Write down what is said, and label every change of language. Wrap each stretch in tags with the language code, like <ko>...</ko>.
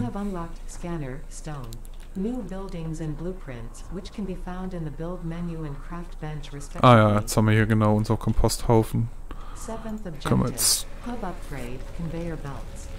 <en>You have unlocked Scanner Stone. New buildings and blueprints, which can be found in the build menu and craft bench respectively.</en> <de>Ah ja, jetzt haben wir hier genau unser Komposthaufen. Komm jetzt.</de> <en>Hub Upgrade, Conveyor Belts.</en>